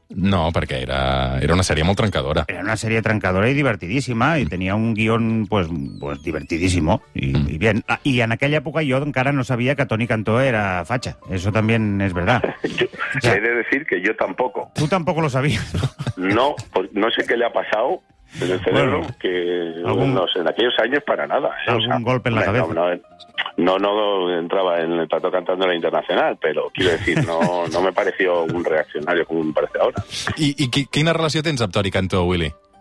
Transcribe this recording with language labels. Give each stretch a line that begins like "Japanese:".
Catalan: No, perquè era una sèrie molt trencadora. Era una sèrie trencadora i divertidíssima, i tenia
Spanish: un guión pues divertidíssimo,
Catalan: i
Spanish: bien.
Catalan: I en aquella època jo encara no sabia que Toni Cantó era facha.
Spanish: Eso también es verdad. Yo, he de decir que yo tampoco. Tú tampoco lo sabías. No, pues no sé qué le ha pasado... En el cerebro, bueno, que algún, no sé, en aquellos años para nada. ¿Algún golpe en la cabeza? No, entraba en el plato cantando en la Internacional, pero quiero decir, no me pareció un reaccionario como me parece ahora.
Catalan: ¿Y quina relació tens amb Toni Cantó, Willy?